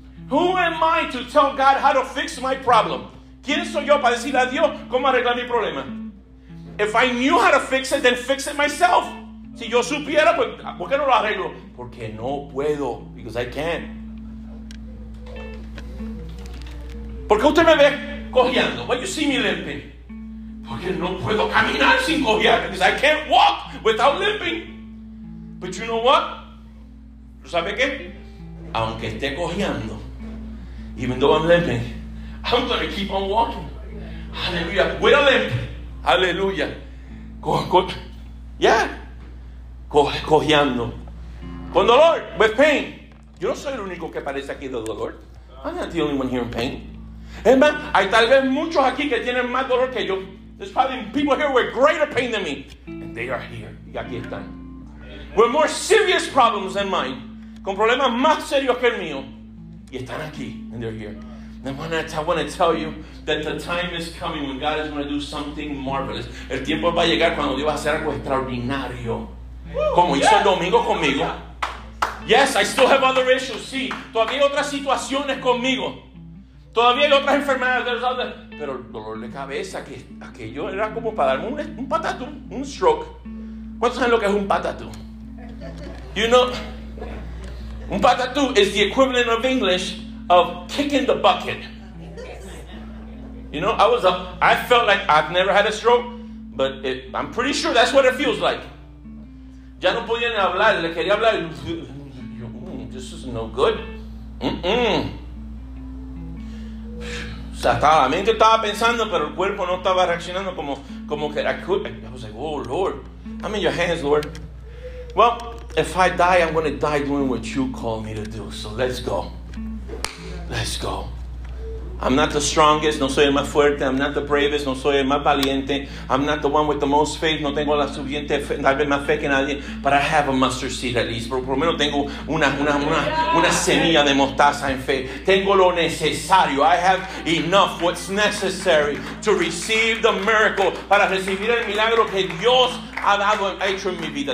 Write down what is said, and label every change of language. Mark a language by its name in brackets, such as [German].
[English] Who am I to tell God how to fix my problem? [Spanish] ¿Quién soy yo para decirle a Dios cómo arreglar mi problema? [English] If I knew how to fix it, then fix it myself. [Spanish] Si yo supiera, pues, ¿por qué no lo arreglo? Porque no puedo. [English] Because I can't. [Spanish] ¿Por qué usted me ve cojeando? [English] Why you see me limping? [Spanish] Porque no puedo caminar sin cojear. [English] Because I can't walk without limping. But you know what? [Spanish] ¿Sabe qué? Aunque esté cojeando, [English] even though I'm limping, I'm going to keep on walking. Hallelujah. With a limp. [Spanish] Aleluya. Cojeando. Con dolor. [English] With pain. [Spanish] Yo no soy el único que parece aquí de dolor. [English] I'm not the only one here in pain. [Spanish] Es más, hay tal vez muchos aquí que tienen más dolor que yo. [English] There's probably people here with greater pain than me. And they are here. [Spanish] Y aquí están. [English] With more serious problems than mine. [Spanish] Con problemas más serios que el mío. Y están aquí. [English] And they're here. I want to tell you that the time is coming when God is going to do something marvelous. [Spanish] El tiempo va a llegar cuando Dios va a hacer algo extraordinario. Como hizo el domingo conmigo. [English] Yes, I still have other issues. [Spanish] Sí, todavía hay otras situaciones conmigo. Todavía hay otras enfermedades. Pero el dolor de cabeza, que aquello era como para darme un patatú, un stroke. ¿Cuántos saben lo que es un patatú? [English] You know, un patatú is the equivalent of English of kicking the bucket. You know, I felt like I've never had a stroke, but I'm pretty sure that's what it feels like. [Spanish] Ya no podía ni hablar, le quería hablar. [English] This is no good. [Spanish] O sea, estaba, la mente estaba pensando, pero el cuerpo no estaba reaccionando como que I could. [English] I was like, oh Lord, I'm in your hands, Lord. Well, if I die, I'm going to die doing what you call me to do. So let's go. Let's go. I'm not the strongest. [Spanish] No soy el más fuerte. [English] I'm not the bravest. [Spanish] No soy el más valiente. [English] I'm not the one with the most faith. [Spanish] No tengo la suficiente fe, tal vez más fe que nadie. [English] But I have a mustard seed at least. [Spanish] Por lo menos tengo una semilla de mostaza en fe. Tengo lo necesario. [English] I have enough what's necessary to receive the miracle. [Spanish] Para recibir el milagro que Dios ha dado, ha hecho en mi vida.